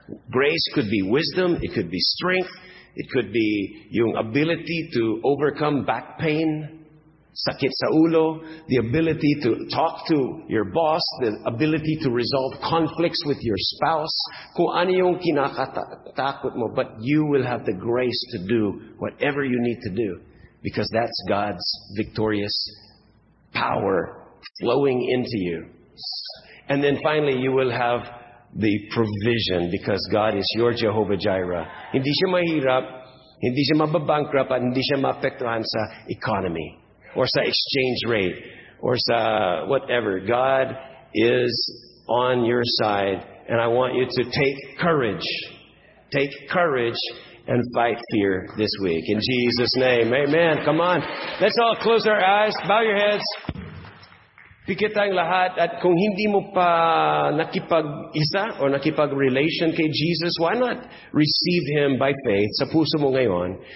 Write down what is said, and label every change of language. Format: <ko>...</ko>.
<en>Grace could be wisdom, it could be strength, it could be yung ability to overcome back pain,</en> <tl>sakit sa ulo,</tl> <en>the ability to talk to your boss, the ability to resolve conflicts with your spouse,</en> <tl>kung ano yung kinakatakot mo,</tl> <en>but you will have the grace to do whatever you need to do because that's God's victorious power flowing into you. And then finally, you will have the provision because God is your Jehovah Jireh.</en> <tl>Hindi siya mahirap, hindi siya mababankrupt, at hindi siya maapektuhan sa economy or sa exchange rate or sa whatever.</tl> <en>God is on your side, and I want you to take courage. Take courage and fight fear this week. In Jesus' name, amen. Come on. Let's all close our eyes, bow your heads.</en> <tl>Pikitang lahat, at kung hindi mo pa nakipag-isa or nakipag-relation kay Jesus,</tl> <en>why not receive Him by faith</en> <tl>sa puso mo ngayon?</tl>